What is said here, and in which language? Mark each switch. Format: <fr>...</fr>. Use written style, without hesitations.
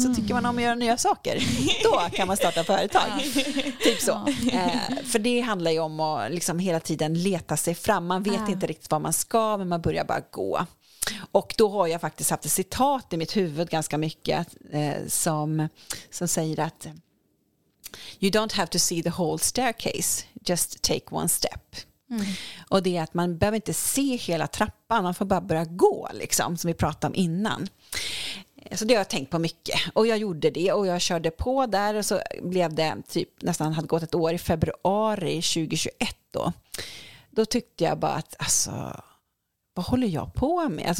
<sv>Så tycker man om att göra nya saker, då kan man starta företag. Ja. Typ så. Ja. För det handlar ju om att liksom hela tiden leta sig fram. Man vet inte riktigt vad man ska, men man börjar bara gå. Och då har jag faktiskt haft ett citat i mitt huvud ganska mycket som säger att</sv> <en>you don't have to see the whole staircase, just take one step. Mm.</en> <sv>Och det är att man behöver inte se hela trappan, man får bara börja gå liksom, som vi pratade om innan. Så det har jag tänkt på mycket, och jag gjorde det och jag körde på där, och så blev det typ nästan, hade gått ett år i februari 2021 då. Då tyckte jag bara att alltså, vad håller jag på med?</sv>